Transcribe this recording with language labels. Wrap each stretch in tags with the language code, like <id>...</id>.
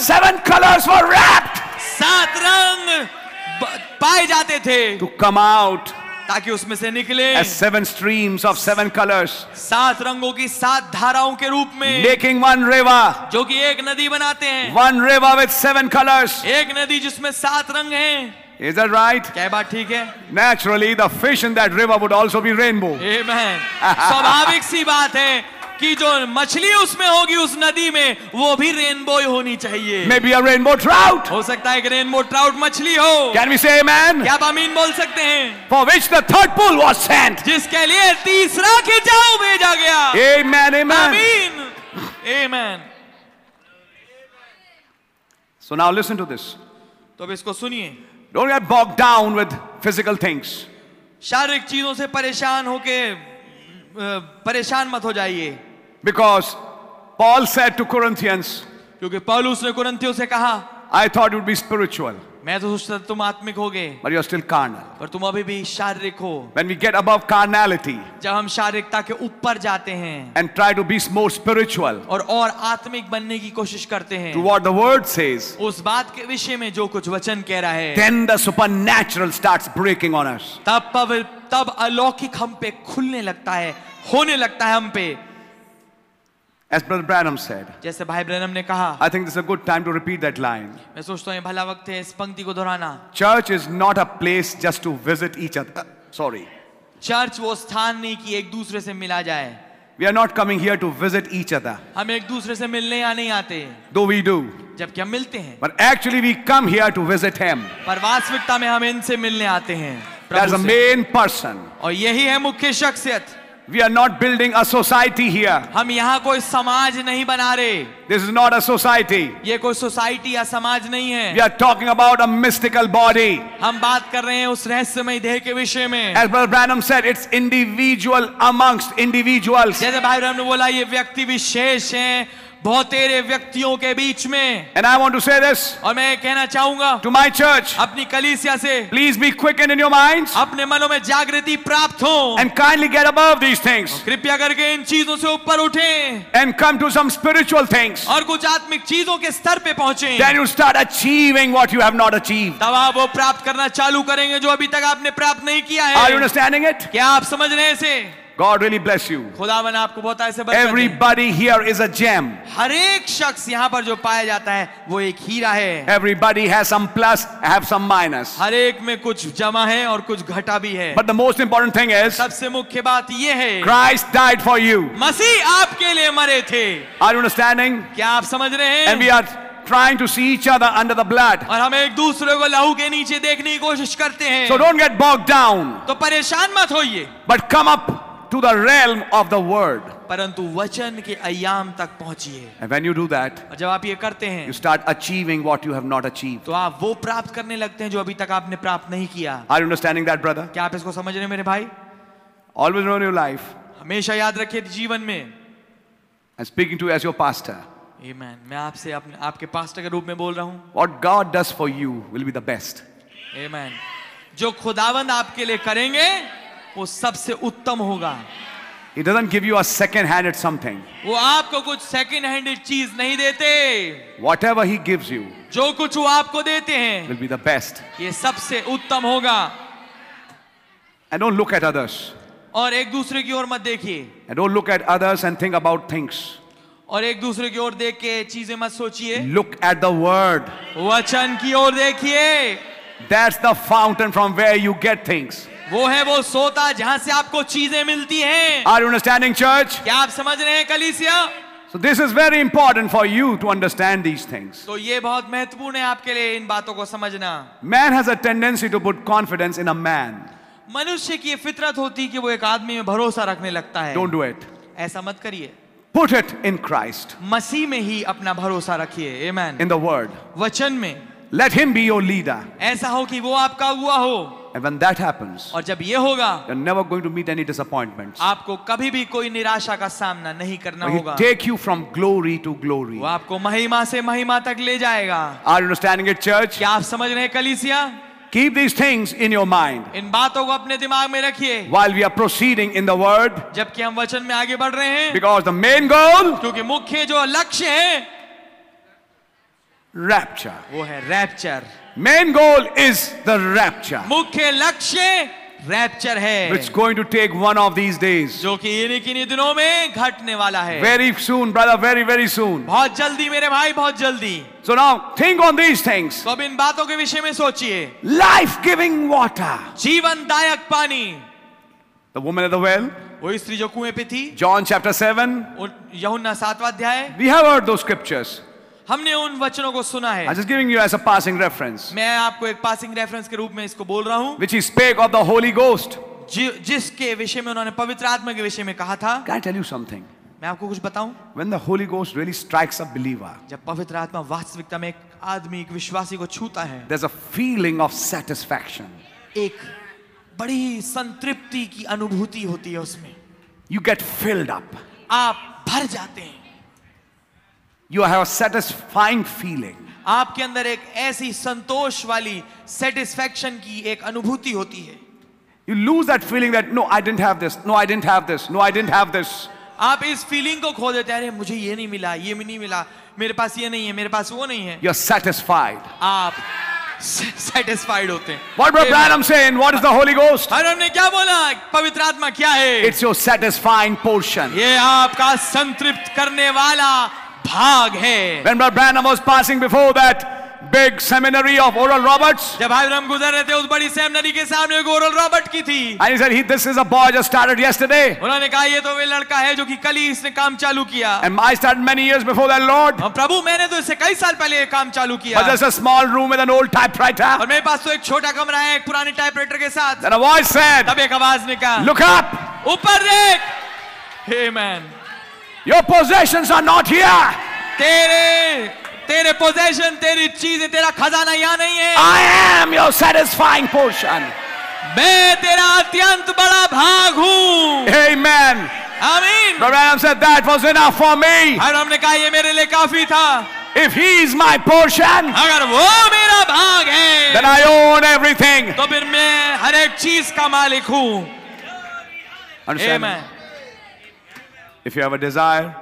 <en>Seven colors were wrapped,</en> <hi>सात रंग पाए जाते थे.</hi> <en>To come out.</en> <hi>ताकि उसमें से निकले</hi> <en>as seven streams of seven colors,</en> <hi>सात रंगों की सात धाराओं के रूप में.</hi> <en>Making one river,</en> <hi>जो कि एक नदी बनाते हैं.</hi> <en>One river with seven colors,</en> <hi>एक नदी जिसमें सात रंग हैं.</hi> <en>Is that right?</en> <hi>क्या बात ठीक है?</hi> <en>Naturally, the fish in that river would also be rainbow. Amen.</en> <hi>स्वाभाविक सी बात है कि जो मछली उसमें होगी उस नदी में वो भी रेनबो होनी चाहिए.</hi> <en>Maybe a rainbow trout.</en> <hi>हो सकता है एक रेनबो ट्राउट मछली हो.</hi> <en>Can we say amen?</en> <hi>क्या आमीन बोल सकते हैं?</hi> <en>For which the third pool was sent.</en> <hi>जिसके लिए तीसरा खिंचाव भेजा गया.</hi> <en>Amen, amen.</en> <hi>आमीन. Amen.</hi> <en>So now listen to this.</en> <hi>तो अब इसको सुनिए.</hi> <en>Don't get bogged down with physical things.</en> <hi>शारीरिक चीजों से परेशान होके परेशान मत हो जाइए.</hi> <en>Because Paul said to Corinthians,</en> <hi>क्योंकि पौलुस ने कुरिन्थियों से कहा,</hi> <en>I thought you'd be spiritual.</en> <hi>मैं तो सोचता था तुम आत्मिक होगे.</hi> <en>But you're still carnal.</en> <hi>पर तुम अभी भी शारीरिक हो.</hi> <en>When we get above carnality,</en> <hi>जब हम शारीरिकता के ऊपर जाते हैं,</hi> <en>and try to be more spiritual,</en> <hi>और आत्मिक बनने की कोशिश करते हैं,</hi> <en>to what the word says,</en> <hi>उस बात के विषय में जो कुछ वचन कह रहा है,</hi> <en>then the supernatural starts breaking on us.</en> <hi>तब अलौकिक हम पे खुलने लगता है, होने लगता है हम पे.</hi> <en>As Brother Branham said,</en> <hi>जैसे भाई ब्रैनम ने कहा,</hi> <en>I think this is a good time to repeat that line.</en> <hi>मैं सोचता हूँ ये भला वक्त है इस पंक्ति को दोहराना.</hi> <en>Church is not a place just to visit each other. Sorry.</en> <hi>Church वो स्थान नहीं कि एक दूसरे से मिला जाए.</hi> <en>We are not coming here to visit each other.</en> <hi>हम एक दूसरे से मिलने या नहीं आते.</hi> <en>Though we do.</en> <hi>जबकि हम मिलते हैं.</hi> <en>But actually we come here to visit him.</en> <hi>पर वास्तविकता में हम इनसे मिलने आते हैं.</hi> <en>That's a main person.</en> <hi>और यही है मुख्य शख्सियत.</hi> <en>We are not building a society here.</en> <hi>हम यहाँ कोई समाज नहीं बना रहे.</hi> <en>This is not a society.</en> <hi>ये कोई सोसाइटी या समाज नहीं है.</hi> <en>We are talking about a mystical body.</en> <hi>हम बात कर रहे हैं उस रहस्यमय देह के विषय में.</hi> <en>As Brother Branham said, it's individual amongst individuals.</en> <hi>जैसे भाई ब्रैनम ने बोला ये व्यक्ति विशेष हैं बहुतेरे व्यक्तियों के बीच में.</hi> <en>And I want to say this.</en> <hi>और मैं कहना चाहूँगा.</hi> <en>To my church.</en> <hi>अपनी कलीसिया से.</hi> <en>Please be quickened in your minds.</en> <hi>अपने मनों में जागृति प्राप्त हो.</hi> <en>And kindly get above these things.</en> <hi>कृपया करके इन चीजों से ऊपर उठें.</hi> <en>And come to some spiritual things.</en> <hi>और कुछ आत्मिक चीजों के स्तर पे पहुँचें.</hi> <en>Then you start achieving what you have not achieved.</en> <hi>तब आप वो प्राप्त करना चालू करेंगे जो अभी तक आपने प्राप्त नहीं किया है.</hi> <en>Are you understanding it?</en> <hi>क्या आप समझ रहे हैं इसे?</hi> <en>God really bless you.</en> <hi>खुदावन आपको बहुत ऐसे बरकत दे.</hi> <en>Everybody here is a gem.</en> <hi>हर एक शख्स यहाँ पर जो पाया जाता है वो एक हीरा है.</hi> <en>Everybody has some plus, have some minus.</en> <hi>हर एक में कुछ जमा है और कुछ घटा भी है.</hi> <en>But the most important thing is.</en> <hi>सबसे मुख्य बात ये है.</hi> <en>Christ died for you.</en> <hi>मसीह आपके लिए मरे थे.</hi> <en>Are you understanding?</en> <hi>क्या आप समझ रहे हैं?</hi> <en>And we are trying to see each other under the blood.</en> <hi>और हम एक दूसरे को लहू के नीचे देखने की कोशिश करते हैं.</hi> <en>So don't get bogged down.</en> <hi>तो परेशान मत होइए.</hi> <en>But come up to the realm of the word.</en> <hi>परंतु वचन के आयाम तक पहुंचिए.</hi> <en>And when you do that,</en> <hi>जब आप ये करते हैं,</hi> <en>you start achieving what you have not achieved.</en> <hi>तो आप वो प्राप्त करने लगते हैं जो अभी तक आपने प्राप्त नहीं किया.</hi> <en>Are you understanding that, brother?</en> <hi>क्या आप इसको समझ रहे हैं मेरे भाई?</hi> <en>Always know in your life.</en> <hi>हमेशा याद रखिए जीवन में.</hi> <en>I'm speaking to you as your pastor. Amen.</en> <hi>मैं आपसे आपके पास्टर के रूप में बोल रहा हूँ.</hi> <en>What God does for you will be the best. Amen.</en> <hi>जो खुदावंद आपके लिए करेंगे वो सबसे उत्तम होगा.</hi> <en>He doesn't give you a second-handed something.</en> <hi>वो आपको कुछ second-handed चीज नहीं देते.</hi> <en>Whatever he gives you,</en> <hi>जो कुछ वो आपको देते हैं,</hi> <en>will be the best.</en> <hi>ये सबसे उत्तम होगा.</hi> <en>And don't look at others.</en> <hi>और एक दूसरे की ओर मत देखिए.</hi> <en>And don't look at others and think about things.</en> <hi>और एक दूसरे की ओर देख के चीजें मत सोचिए.</hi> <en>Look at the word.</en> <hi>वचन की ओर देखिए.</hi> <en>That's the fountain from where you get things.</en> <hi>वो है वो सोता जहां से आपको चीजें मिलती हैं.</hi> <en>Are you understanding, church?</en> <hi>क्या आप समझ रहे हैं कलीसिया?</hi> <en>So this is very important for you to understand these things.</en> <hi>तो ये बहुत महत्वपूर्ण है आपके लिए इन बातों को समझना.</hi> <en>Man has a tendency to put confidence in a man.</en> <hi>मनुष्य की फितरत होती है कि वो एक आदमी में भरोसा रखने लगता है.</hi> <en>Don't do it.</en> <hi>ऐसा मत करिए.</hi> <en>Put it in Christ.</en> <hi>मसीह में ही अपना भरोसा रखिए.</hi> <en>Amen. In the word.</en> <hi>वचन में.</hi> <en>Let him be your leader.</en> <hi>ऐसा हो कि वो आपका अगुआ हो.</hi> <en>And when that happens,</en> <hi>और जब ये होगा,</hi> <en>you're never going to meet any disappointments.</en> <hi>आपको कभी भी कोई निराशा का सामना नहीं करना होगा.</hi> <en>Take you from glory to glory.</en> <hi>वो आपको महिमा से महिमा तक ले जाएगा.</hi> <en>Are you understanding it, church?</en> <hi>क्या आप समझ रहे हैं कलीसिया?</hi> <en>Keep these things in your mind.</en> <hi>इन बातों को अपने दिमाग में रखिए.</hi> <en>While we are proceeding in the word,</en> <hi>जबकि हम वचन में आगे बढ़ रहे हैं.</hi> <en>Because the main goal,</en> <hi>क्योंकि मुख्य जो लक्ष्य है,</hi> <en>rapture.</en> <hi>वो है rapture.</hi> <en>Main goal is the rapture.</en> <hi>मुख्य लक्ष्य रैप्चर है.</hi> <en>It's going to take one of these days.</en> <hi>जो कि इन्हीं किन्हीं दिनों में घटने वाला है.</hi> <en>Very soon, brother. Very very soon.</en> <hi>बहुत जल्दी मेरे भाई, बहुत जल्दी.</hi> <en>So now think on these things.</en> <hi>तो अब इन बातों के विषय में सोचिए.</hi> <en>Life giving water.</en> <hi>जीवन दायक पानी.</hi> <en>The woman at the well.</en> <hi>वो स्त्री जो कुएं पे थी.</hi> <en>John chapter 7.</en> <hi>यूहन्ना सातवां अध्याय.</hi> <en>We have heard those scriptures.</en> <hi>हमने उन वचनों को सुना है.</hi> <en>I'm just giving you as a passing reference.</en> <hi>मैं आपको एक</hi> <en>passing reference</en> <hi>के रूप में इसको बोल रहा हूँ.</hi> <en>Which he spake of the Holy Ghost.</en> <hi>जिसके विषय में उन्होंने पवित्र आत्मा के विषय में कहा था.</hi> <en>Can I tell you something?</en> <hi>मैं आपको कुछ बताऊँ.</hi> <en>When the Holy Ghost really strikes a believer.</en> <hi>जब पवित्र आत्मा वास्तविकता में एक आदमी, एक विश्वासी को छूता है.</hi> <en>There's a feeling of satisfaction.</en> <hi>एक बड़ी संतृप्ति की अनुभूति होती है उसमें.</hi> <en>You get filled up.</en> <hi>आप भर जाते हैं.</hi> <en>You have a satisfying feeling.</en> <hi>आपके अंदर एक ऐसी संतोष वाली satisfaction की एक अनुभूति होती है.</hi> <en>You lose that feeling that no, I didn't have this. No, I didn't have this. No, I didn't have this.</en> <hi>आप इस feeling को खो देते हैं. अरे मुझे ये नहीं मिला, ये भी नहीं मिला. मेरे पास ये नहीं है, मेरे पास वो नहीं है.</hi> <en>You're satisfied.</en> <hi>आप satisfied होते हैं.</hi> <en>What Brother Branham saying? What is the Holy Ghost?</en> <hi>Branham ने क्या बोला? पवित्र आत्मा क्या है?</hi> <en>It's your satisfying portion.</en> <hi>ये आपका संतृप्त करने वाला भाग है.</hi> <en>When Brother Branham was passing before that big seminary of Oral Roberts,</en> <hi>जब भाई ब्रह्म गुजर रहे थे उस बड़ी सेमिनरी के सामने ओरल रॉबर्ट की थी.</hi> <en>And he said, this is a boy just started yesterday.</en> <hi>उन्होंने कहा ये तो वे लड़का है जो कि कल ही इसने काम चालू किया.</hi> <en>And I started many years before that, Lord.</en> <hi>प्रभु मैंने तो इसे कई साल पहले काम चालू किया.</hi> <en>But there's a small room with an old typewriter.</en> <hi>और मेरे पास तो एक छोटा कमरा है एक पुराने टाइपराइटर के साथ.</hi> <en>Then a voice said,</en> <hi>तब एक आवाज ने कहा,</hi> <en>Look up.</en> <hi>ऊपर देख. Amen.</hi> <en>Your possessions are not here.</en> <hi>तेरे possession, तेरी चीजें, तेरा खजाना यहाँ नहीं है.</hi> <en>I am your satisfying portion.</en> <hi>मैं तेरा अत्यंत बड़ा भाग हूँ.</hi> <en>Amen. Amen. But Abraham said, that was enough for me.</en> <hi>Abraham ne kaha ye mere liye kafi tha.</hi> <en>If he is my portion,</en> <hi>agar wo mera bhag hai,</hi> <en>then I own everything.</en> <hi>To phir main har ek cheez ka malik hu.</hi> <en>Understand? Amen. If you have a desire,</en>